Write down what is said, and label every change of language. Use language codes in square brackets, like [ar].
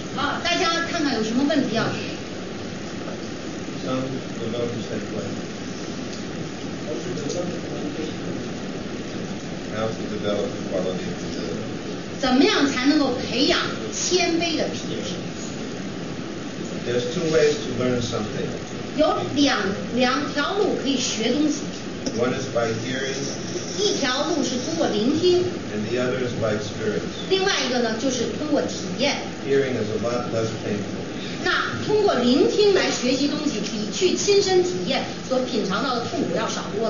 [zh] 好，大家看看有什么问题要提。 [en] Some of the said questions. How to develop the quality of humility? [zh] 怎么样才能够培养谦卑的品质？ [en] There's two ways to learn something. [zh] 有两条路可以学东西。 [en] One is by hearing. [zh] 一条路是通过聆听。 [en] And the other is by experience. [zh] 另外一个呢，就是通过体验。 [en] Hearing is a lot less painful. [zh] 那通过聆听来学习东西，比去亲身体验所品尝到的痛苦要少多